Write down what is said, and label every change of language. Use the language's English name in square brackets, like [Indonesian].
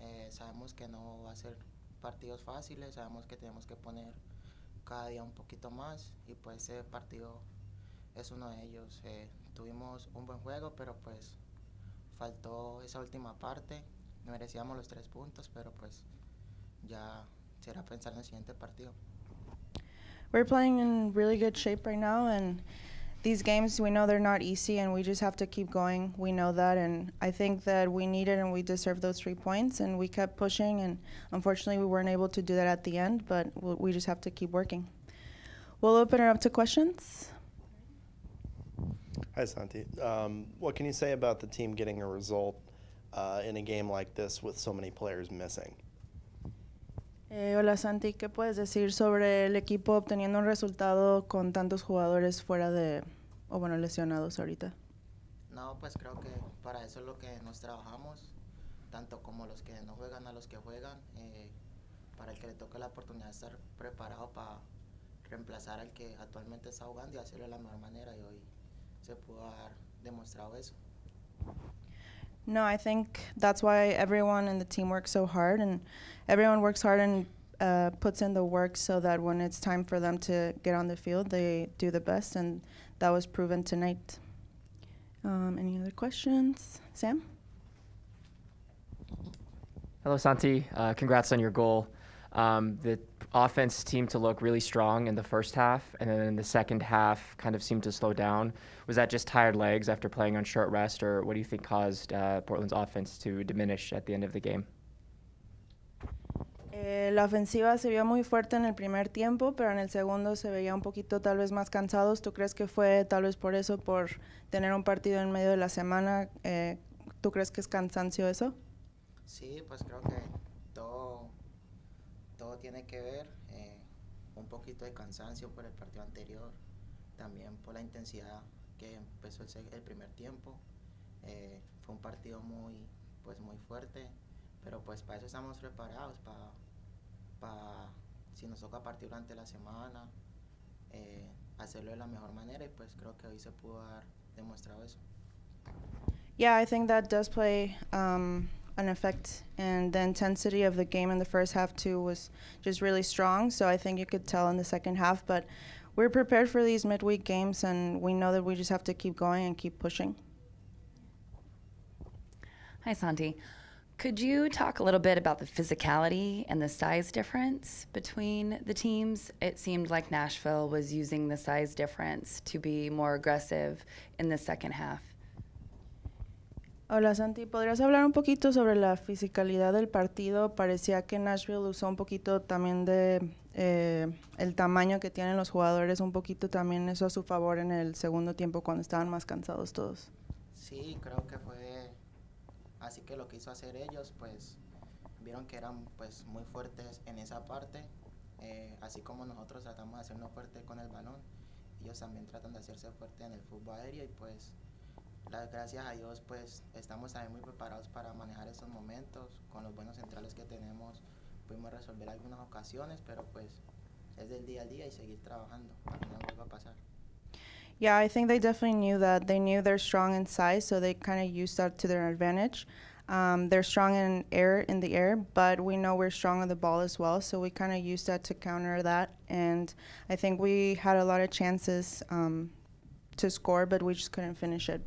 [Spanish] Sabemos que no va a ser partidos fáciles. Sabemos que tenemos que poner cada día un poquito más. Y, pues, ese partido es uno de ellos. Tuvimos un buen juego, pero, pues, faltó esa última parte. Merecíamos los 3 puntos, pero, pues, ya será pensar en el siguiente partido. [English] We're playing in really good shape right now, and these games, we know they're not easy, and we just have to keep going. We know that, and I think that we need it, and we deserve those 3 points, and we kept pushing, and unfortunately, we weren't able to do that at the end, but we just have to keep working. We'll open it up to questions. Hi, Santi. What can you say about the team getting a result in a game like this with so many players missing? [Spanish] Hola Santi, ¿qué puedes decir sobre el equipo obteniendo un resultado con tantos jugadores fuera de, lesionados ahorita? No, pues creo que para eso es lo que nos trabajamos, tanto como los que no juegan a los que juegan, para el que le toque la oportunidad de estar preparado para reemplazar al que actualmente está jugando y hacerlo de la mejor manera, y hoy se pudo haber demostrado eso. [English] No, I think that's why everyone in the team works so hard, and everyone works hard and puts in the work so that when it's time for them to get on the field, they do the best, and that was proven tonight. Any other questions? Sam? Hello, Santi. Congrats on your goal. The offense seemed to look really strong in the first half, and then in the second half kind of seemed to slow down. Was that just tired legs after playing on short rest, or what do you think caused Portland's offense to diminish at the end of the game? [Spanish] La ofensiva se vio muy fuerte en el primer tiempo, pero en el segundo se veía un poquito tal vez más cansados. ¿Tú crees que fue tal vez por eso, por tener un partido en medio de la semana? ¿Tú crees que es cansancio eso? Sí, pues creo que todo tiene que ver, un poquito de cansancio por el partido anterior, también por la intensidad que empezó el primer tiempo. Fue un partido muy, pues muy fuerte, pero pues para eso estamos preparados, para si nos toca partir durante la semana, hacerlo de la mejor manera, y pues creo que hoy se pudo haber demostrado eso. [English] Yeah, I think that does play an effect, and the intensity of the game in the first half too was just really strong, so I think you could tell in the second half, but we're prepared for these midweek games, and we know that we just have to keep going and keep pushing. Hi Santi, could you talk a little bit about the physicality and the size difference between the teams? It seemed like Nashville was using the size difference to be more aggressive in the second half. [Spanish] Hola Santi, ¿podrías hablar un poquito sobre la fisicalidad del partido? Parecía que Nashville usó un poquito también de el tamaño que tienen los jugadores, un poquito también eso a su favor en el segundo tiempo cuando estaban más cansados todos. Sí, creo que fue así que lo quiso hacer ellos, pues vieron que eran pues muy fuertes en esa parte, así como nosotros tratamos de hacernos fuertes con el balón, ellos también tratan de hacerse fuerte en el fútbol aéreo, y pues gracias a Dios, pues estamos también muy preparados para manejar esos momentos. Con los buenos centrales que tenemos, pudimos resolver algunas ocasiones, pero pues es del día a día y seguir trabajando para que no vuelva a pasar. [English] Yeah, I think they definitely knew that. They knew they're strong in size, so they kind of used that to their advantage. They're strong in air, in the air, but we know we're strong on the ball as well, so we kind of used that to counter that. And I think we had a lot of chances to score, but we just couldn't finish it.